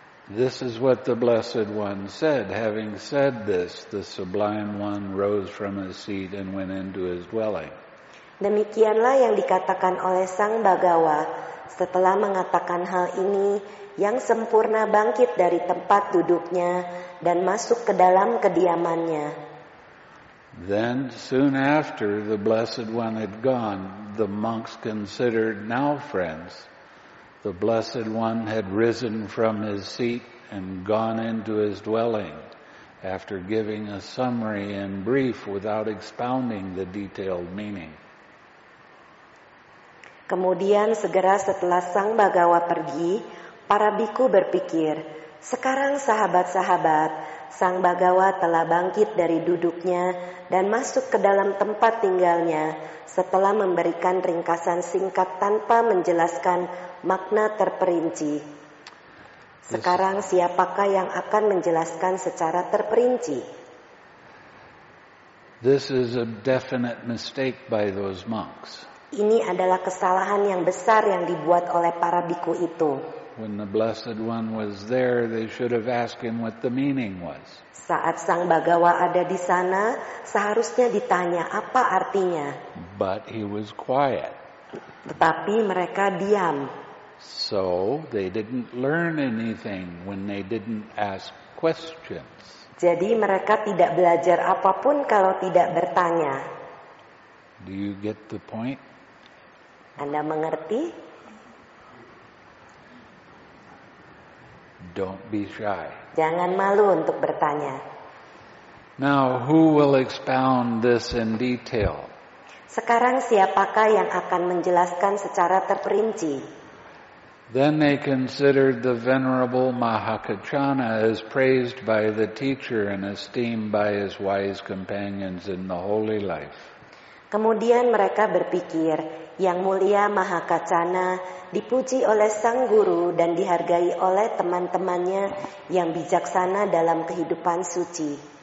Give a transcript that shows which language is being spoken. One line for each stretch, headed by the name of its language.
English: This is what the Blessed One said. Having said this, the Sublime One rose from his seat and went into his dwelling.
Indonesian: Demikianlah yang dikatakan oleh Sang Bhagawa. Setelah mengatakan hal ini, Yang Sempurna bangkit dari tempat duduknya dan masuk ke dalam kediamannya.
English: Then soon after the Blessed One had gone, the monks considered, now friends, the Blessed One had risen from his seat and gone into his dwelling after giving a summary in brief without expounding the detailed meaning.
Indonesian: Kemudian segera setelah Sang Bhagawa pergi, para bhikkhu berpikir, sekarang sahabat-sahabat, Sang Bhagawa telah bangkit dari duduknya dan masuk ke dalam tempat tinggalnya setelah memberikan ringkasan singkat tanpa menjelaskan makna terperinci. Sekarang siapakah yang akan menjelaskan secara terperinci?
English: This is a definite mistake by those monks.
Indonesian: Ini adalah kesalahan yang besar yang dibuat oleh para bhikkhu itu.
English: When the Blessed One was there, they should have asked him what the meaning was.
Indonesian: Saat Sang Bhagawa ada di sana, seharusnya ditanya apa artinya.
English: But he was quiet.
Indonesian: Tetapi mereka diam.
English: So they didn't learn anything when they didn't ask questions.
Indonesian: Jadi mereka tidak belajar apapun kalau tidak bertanya.
English: Do you get the point?
Indonesian: Anda mengerti?
English: Don't be shy.
Indonesian: Jangan malu untuk bertanya.
English: Now, who will expound this in detail?
Indonesian: Sekarang siapakah yang akan menjelaskan secara terperinci?
English: Then they considered the venerable Mahakachana as praised by the teacher and esteemed by his wise companions in the holy life.
Indonesian: Kemudian mereka berpikir, Yang Mulia Mahakacana dipuji oleh Sang Guru dan dihargai oleh teman-temannya yang bijaksana dalam kehidupan suci.